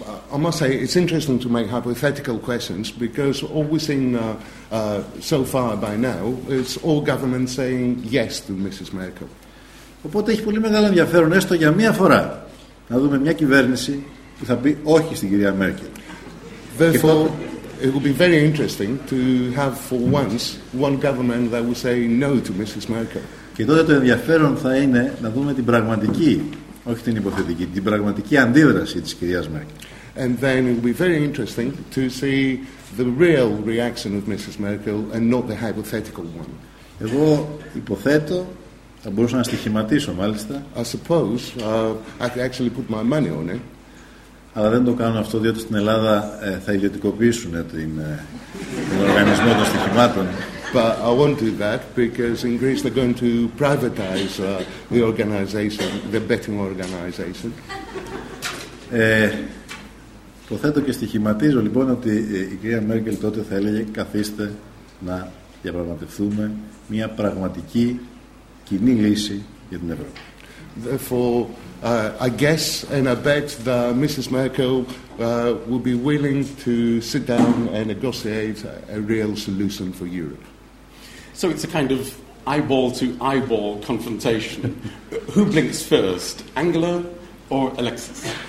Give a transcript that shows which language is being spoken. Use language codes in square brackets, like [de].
[en] I must say it's interesting to make hypothetical questions because all we've seen so far by now is all governments saying yes to Mrs. Merkel. [el] Οπότε έχει πολύ μεγάλο ενδιαφέρον έστω για μία φορά να δούμε μια κυβέρνηση που θα πει όχι στην κυρία Μέρκελ. [en] Therefore, it would be very interesting to have for once one government that would say no to Mrs. Merkel. [el] Και τότε το ενδιαφέρον θα είναι να δούμε την πραγματική, όχι την υποθετική, την πραγματική αντίδραση της κυρίας Μέρκελ. [en] And then it will be very interesting to see the real reaction of Mrs. Merkel and not the hypothetical one. [el] Εγώ υποθέτω, θα μπορούσα να στοιχηματίσω μάλιστα. [en] I suppose, I could actually put my money on it. [el] Αλλά δεν το κάνω αυτό, διότι στην Ελλάδα θα ιδιωτικοποιήσουν τον οργανισμό των στοιχημάτων. [en] But I won't do that because in Greece they're going to privatize the organization, the betting organization. [el] Υποθέτω και στοιχηματίζω λοιπόν ότι η κυρία Μέρκελ τότε θα έλεγε καθίστε να διαπραγματευτούμε μια πραγματική κοινή λύση για την Ευρώπη. [en] Therefore, I guess and I bet that Mrs. Merkel will be willing to sit down and negotiate a real solution for Europe. So it's a kind of eyeball-to-eyeball confrontation. Who blinks first, Angela or Alexis?